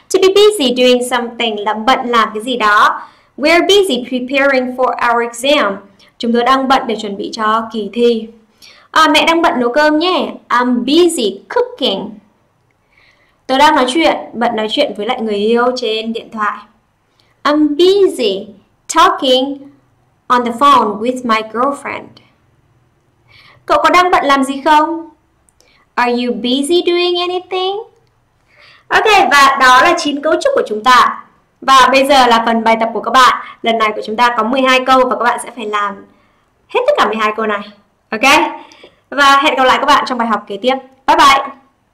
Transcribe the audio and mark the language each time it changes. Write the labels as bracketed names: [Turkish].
[English] To be busy doing something [Vietnamese] là bận làm cái gì đó. [English] We're busy preparing for our exam. [Vietnamese] Chúng tôi đang bận để chuẩn bị cho kỳ thi. À, mẹ đang bận nấu cơm nhé. [English] I'm busy cooking. [Vietnamese] Tôi đang bận nói chuyện với lại người yêu trên điện thoại. [English] I'm busy talking on the phone with my girlfriend. [Vietnamese] Cậu có đang bận làm gì không? [English] Are you busy doing anything? [Vietnamese] Ok, và đó là 9 cấu trúc của chúng ta. Và bây giờ là phần bài tập của các bạn. Lần này của chúng ta có 12 câu và các bạn sẽ phải làm hết tất cả 12 câu này. Ok? Và hẹn gặp lại các bạn trong bài học kế tiếp. Bye bye!